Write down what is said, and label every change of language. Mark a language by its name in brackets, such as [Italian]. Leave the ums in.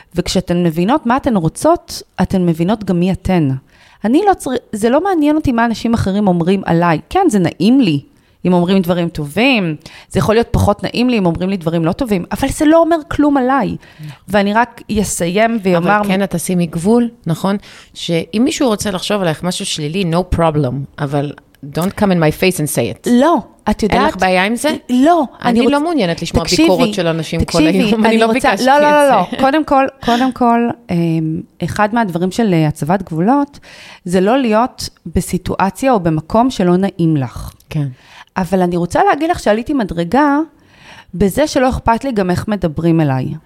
[Hebrew] וכשאתן מבינות מה אתן רוצות, אתן מבינות גם מי אתן. אני לא צריך, זה לא מעניין אותי מה אנשים אחרים אומרים עליי. כן, זה נעים לי אם אומרים דברים טובים, זה יכול להיות פחות נעים לי אם אומרים לי דברים לא טובים, אבל זה לא אומר כלום עליי. ואני רק אסיים ואומר... אבל כן, את תשימי גבול, נכון? שאם מישהו רוצה לחשוב עלייך משהו שלילי, [English] no problem, אבל Don't come in my face and say it. [Hebrew] לא, את יודעת... אין לך בעיה עם זה? לא. אני, אני רוצ... לא מעוניינת לשמוע תקשיבי, ביקורות של אנשים תקשיבי, כל תקשיבי, היום, אני, אני לא ביקשתי את זה. לא, לא, לא, קודם כל, קודם כל, אחד מהדברים של הצבת גבולות, זה לא להיות בסיטואציה או במקום שלא נעים לך. כן. אבל אני רוצה להגיד לך שעליתי מדרגה בזה שלא אכפת לי גם איך מדברים אליי.